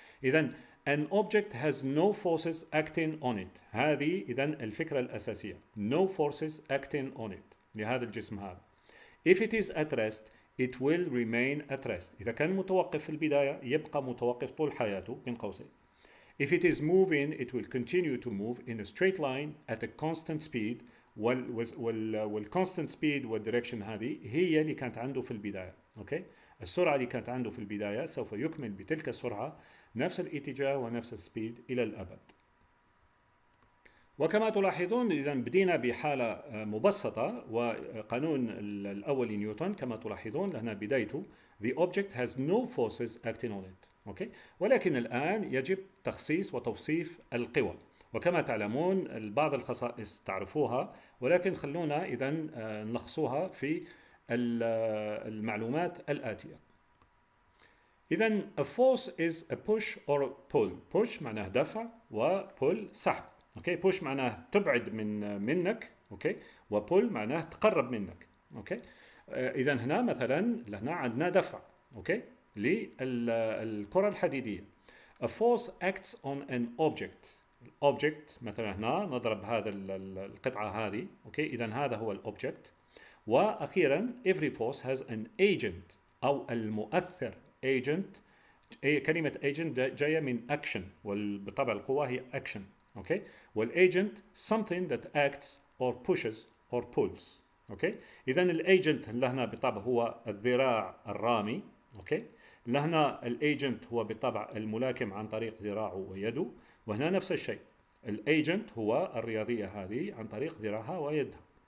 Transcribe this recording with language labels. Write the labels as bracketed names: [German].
[English] إذا an object has no forces acting on it، [Arabic] هذه إذا الفكرة الأساسية، [English] no forces acting on it [Arabic] لهذا الجسم هذا. [English] If it is at rest, it will remain at rest. [Arabic] إذا كان متوقف في البداية يبقى متوقف طول حياته بين قوسين. [English] If it is moving, it will continue to move in a straight line at a constant speed. [Arabic] وال constant speed والdirection هذه هي اللي كانت عنده في البداية. أوكي؟ السرعة اللي كانت عنده في البداية سوف يكمل بتلك السرعة نفس الاتجاه ونفس السبيد إلى الأبد. وكما تلاحظون إذا بدينا بحالة مبسطة وقانون الأول نيوتن كما تلاحظون هنا بدايته [English] the object has no forces acting on it. [Arabic] أوكي؟ ولكن الآن يجب تخصيص وتوصيف القوى، وكما تعلمون بعض الخصائص تعرفوها، ولكن خلونا إذا نلخصها في المعلومات الآتية. [English] إذا a force is a push or pull. [Arabic] push معناه دفع و pull سحب. اوكي بوش معناه تبعد منك، اوكي، وبول معناه تقرب منك. اوكي اذا هنا مثلا هنا عندنا دفع، اوكي، للكره الحديديه. [English] A force acts on an object. [Arabic] object مثلا هنا نضرب هذا القطعه هذه، اوكي، اذا هذا هو الاوبجكت. [English] واخيرا every force has an agent [Arabic] او المؤثر. agent اي كلمه agent جايه من action، وبالطبع القوة هي action. [English] Okay. Well, agent something that acts or pushes or pulls. Okay. [Arabic] إذن الagent لهنا بالطبع هو الذراع الرامي. [English] Okay. [Arabic] لهنا الagent هو بالطبع الملاكم عن طريق ذراعه ويده. وهنا نفس الشيء. الagent هو الرياضية هذه عن طريق ذراعها ويدها.